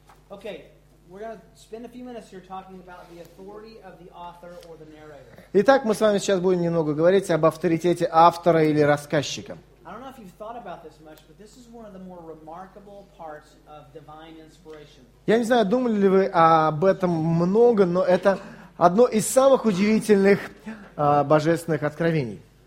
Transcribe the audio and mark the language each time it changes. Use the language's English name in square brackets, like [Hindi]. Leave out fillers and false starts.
[English] Okay, we're going to spend a few minutes here talking about the authority of the author or the narrator. [Russian] Итак, мы с вами сейчас будем немного говорить об авторитете автора или рассказчика. [English] I don't know if you've thought about this much, but this is one of the more remarkable parts of divine inspiration. [Russian] Я не знаю, думали ли вы об этом много, но это одно из самых удивительных божественных откровений.